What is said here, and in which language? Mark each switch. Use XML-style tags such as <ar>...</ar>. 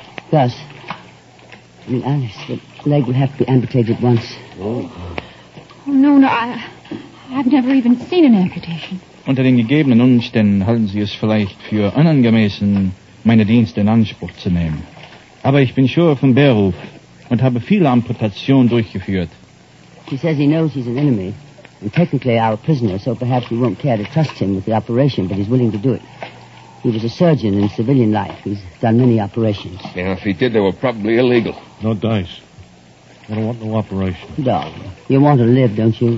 <en>Gus, I mean, Alice, the leg will have to be amputated once. Oh no, I've never even seen an amputation.</en> <de>Unter den gegebenen Umständen halten Sie es vielleicht für unangemessen, meine Dienste in Anspruch zu nehmen. Aber ich bin sure von Beruf und habe viele Amputationen durchgeführt.</de> <en>He says he knows he's an enemy, and technically our prisoner, so perhaps we won't care to trust him with the operation, but he's willing to do it. He was a surgeon in civilian life. He's done many operations. Yeah, if he did, they were probably illegal. No dice. I don't want no operation. Darling, you want to live, don't you?</en>